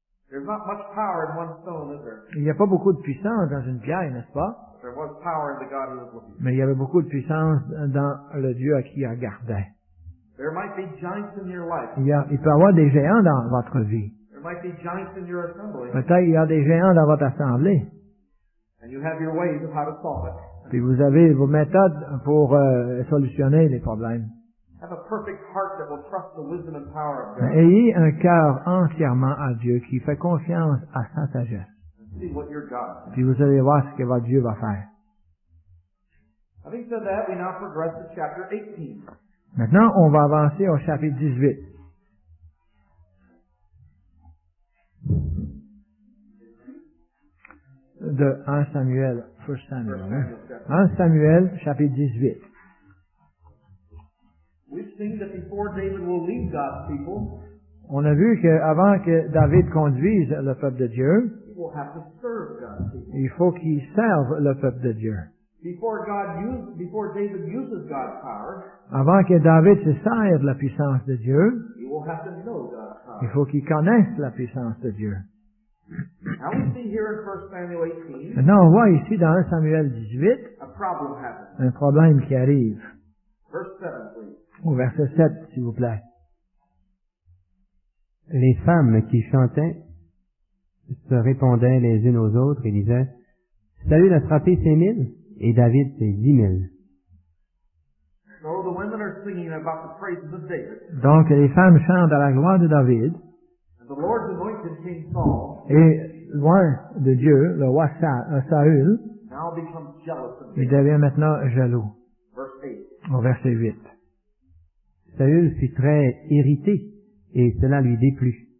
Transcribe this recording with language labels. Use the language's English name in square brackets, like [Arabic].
[English] There's not much power in one stone, is there? [French] Il n'y a pas beaucoup de puissance dans une pierre, n'est-ce pas? [English] There was power in the God he was looking. [French] Mais il y avait beaucoup de puissance dans le Dieu à qui il regardait. [English] There might be giants in your life. [French] Il peut y avoir des géants dans votre vie. [English] There might be giants in your assembly. [French] Peut-être il y a des géants dans votre assemblée. [English] And you have your ways of how to solve it. [French] Puis vous avez vos méthodes pour solutionner les problèmes. [English] Have a perfect heart that will trust the wisdom and power of God. [French] Mais ayez un cœur entièrement à Dieu qui fait confiance à sa sagesse. [English] And see what your God. [French] Puis vous allez voir ce que votre Dieu va faire. [English] Having said that, we now progress to chapter 18. [French] Maintenant, on va avancer au chapitre 18. De 1 Samuel, 1 Samuel, hein? 1 Samuel, chapitre 18. [English] We've seen that before David will lead God's people, [French] on a vu qu'avant que David conduise le peuple de Dieu, [English] we'll have to serve God's people. [French] Il faut qu'il serve le peuple de Dieu. [English] Before David uses God's power, [French] avant que David se serve la puissance de Dieu, [English] we'll have to know God's power. [French] Il faut qu'il connaisse la puissance de Dieu. [English] Now we see here in 1 Samuel 18, [French] maintenant, on voit ici dans 1 Samuel 18 [English] a problem happens. [French] Un problème qui arrive. [English] Verse 7, please. [French] Au verset 7, s'il vous plaît. Les femmes qui chantaient se répondaient les unes aux autres et disaient, Saül a frappé 5000 et David ses 10 000. [English] So the women are singing about the praises of David. [French] Donc les femmes chantent à la gloire de David. [English] The Lord's anointed King Saul, [French] et loin de Dieu, le roi Saül, [English] now becomes jealous of [French] David. Il devient maintenant jaloux. [English] Verse 8. [French] Saül fut très irrité, et cela lui déplut.